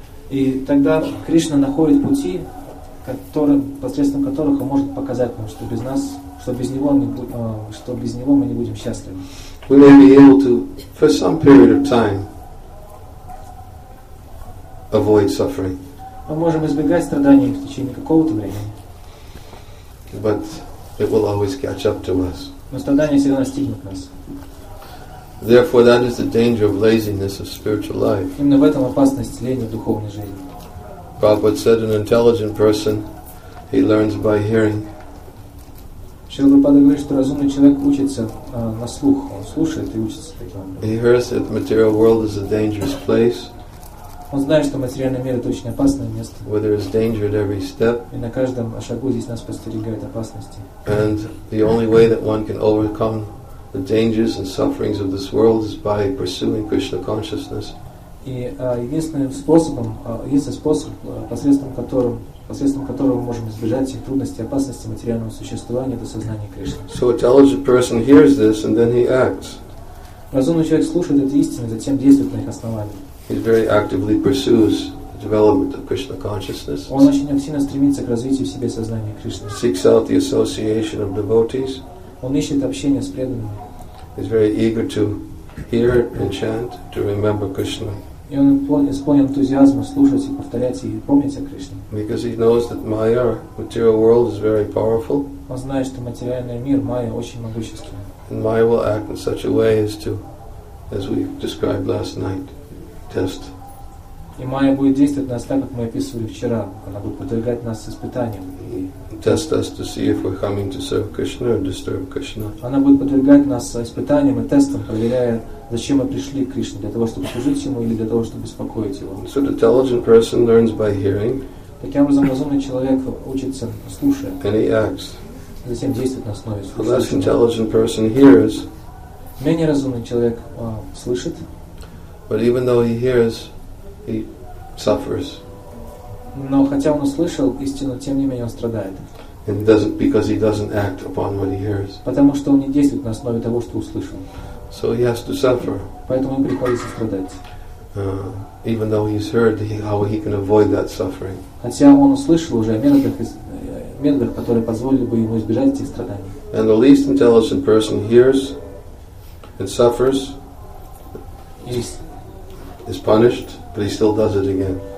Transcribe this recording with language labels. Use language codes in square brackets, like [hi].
[ru] И тогда Кришна находит пути, которым, посредством которых он может показать нам, что без нас, что без него мы не будем счастливы. [en] We may be able to, for some period of time, avoid suffering. [ru] Мы можем избегать страданий в течение какого-то времени. [en] But it will always catch up to us. [ru] Но страдания всегда настигнут нас. [en] Therefore, that is the danger of laziness of spiritual life. [ru] Именно в этом опасность лени в духовной жизни. [en] Prabhupada said, an intelligent person, he learns by hearing. [ru] Шрила Прабхупада говорит, что разумный человек учится на слух. Он слушает и учится таким. [en] He hears that the material world is a dangerous place. [ru] Он знает, что материальный мир — это очень опасное место. [en] Where there is danger at every step. [ru] И на каждом шагу здесь нас подстерегают опасности. [en] And the only way that one can overcome the dangers and sufferings of this world is by pursuing Krishna consciousness. [ru] И единственным способом, посредством которого мы можем избежать всех трудностей и опасностей материального существования — это сознание Кришны. [en] So a intelligent person hears this and then he acts. [ru] Разумный человек слушает эти истины, затем действует на их основании. [en] He very actively pursues the development of Krishna consciousness. [ru] Он очень активно стремится к развитию в себе сознания Кришны. [en] Seeks out the association of devotees. [ru] Он ищет общение с преданными. [en] He's very eager to hear and chant to remember Krishna. [ru] И он исполнен энтузиазма слушать и повторять и помнить о Кришне. [en] Because he knows that Maya, material world, is very powerful. [ru] Он знает, что материальный мир Майя очень могущественный. [en] And Maya will act in such a way as we described last night. [ru] И Майя будет действовать на нас так, как мы описывали вчера. Она будет подвергать нас испытаниям. [en] Test us to see if we're coming to serve Krishna or disturb Krishna. [ru] Она будет подвергать нас испытаниям и тестам, проверяя, зачем мы пришли к Кришне, для того, чтобы служить ему или для того, чтобы беспокоить его. [en] So the intelligent person learns by hearing. [ru] Таким образом, разумный человек учится слушая. [en] And he acts. [ru] Затем действует на основе слушания. [en] A less intelligent person hears. [ru] Менее разумный человек слышит. [en] But even though he hears, he suffers. [ru] Но хотя он услышал истину, тем не менее он страдает. [en] And he doesn't, because he doesn't act upon what he hears. [ru] Потому что он не действует на основе того, что услышал. [en] So he has to suffer. [ru] Поэтому ему приходится страдать. [en] even though he's heard how he can avoid that suffering. [ru] Хотя он услышал уже о методах, которые позволили бы ему избежать этих страданий. [en] And the least intelligent person hears and suffers, is punished, but he still does it again.